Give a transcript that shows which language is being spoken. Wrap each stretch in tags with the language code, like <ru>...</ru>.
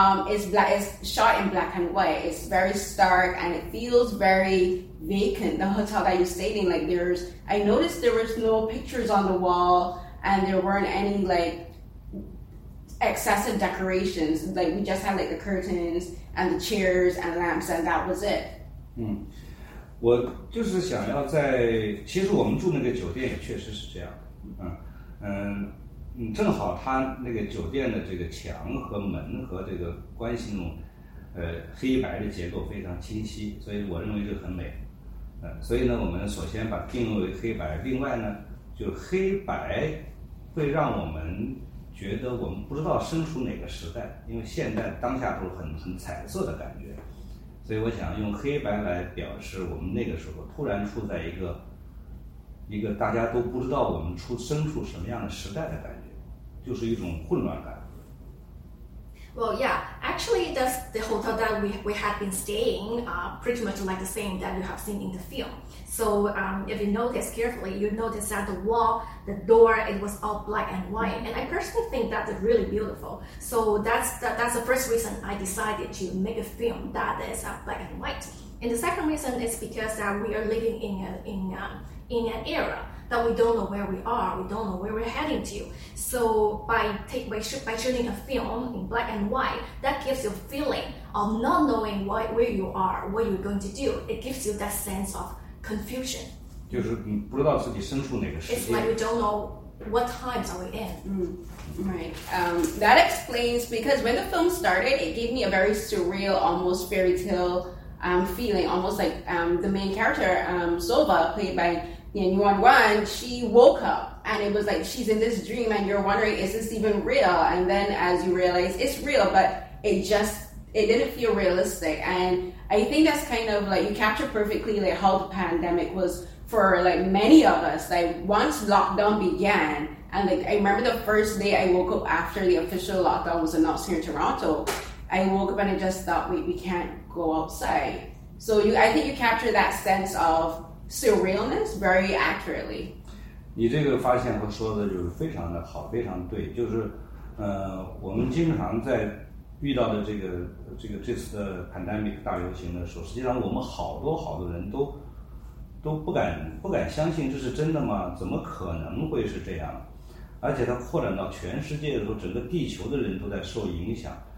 <en>It's shot in black and white. It's very stark, and it feels very vacant. The hotel that you're staying in, like, I noticed there was no pictures on the wall, and there weren't any like excessive decorations. Like, we just had like the curtains and the chairs and lamps, and that was it. Mm.</en> <zh>我就是想要在，其实我们住那个酒店也确实是这样的，正好他那个酒店的这个墙和门和这个关系弄，黑白的结构非常清晰，所以我认为就很美，所以呢，我们首先把定为黑白，另外呢，就黑白会让我们觉得我们不知道身处哪个时代，因为现在当下都是很彩色的感觉。所以我想用黑白来表示我们那个时候突然处在一个大家都不知道我们身处什么样的时代的感觉，就是一种混乱感。</zh> <en>Well, yeah, actually the hotel that we have been staying pretty much like the same that you have seen in the film. So if you notice carefully, you notice that the wall, the door, it was all black and white. Mm-hmm. And I personally think that's really beautiful. So that's the first reason I decided to make a film that is black and white. And the second reason is because we are living in an era that we don't know where we are, we don't know where we're heading to. So by shooting a film in black and white, that gives you a feeling of not knowing where you are, what you're going to do. It gives you that sense of confusion.</en> <zh>就是你不知道自己身处哪个世界。</zh> <en>It's like we don't know what times are we in. That explains, because when the film started, it gave me a very surreal, almost fairy tale feeling, almost like the main character, Sova, played by Yan Yuanyuan, she woke up and it was like she's in this dream and you're wondering, is this even real? And then as you realize, it's real, but it didn't feel realistic. And I think that's kind of like, you capture perfectly like how the pandemic was for like many of us. Like once lockdown began, and like I remember the first day I woke up after the official lockdown was announced here in Toronto, I woke up and I just thought, wait, we can't go outside. So I think you capture that sense of surrealness very accurately.</en> <zh>你这个发现和说的就是非常的好，非常对。就是，我们经常在遇到的这次的 pandemic 大流行的时候，实际上我们好多好多人都不敢相信这是真的吗？怎么可能会是这样？而且它扩展到全世界的时候，整个地球的人都在受影响。</zh>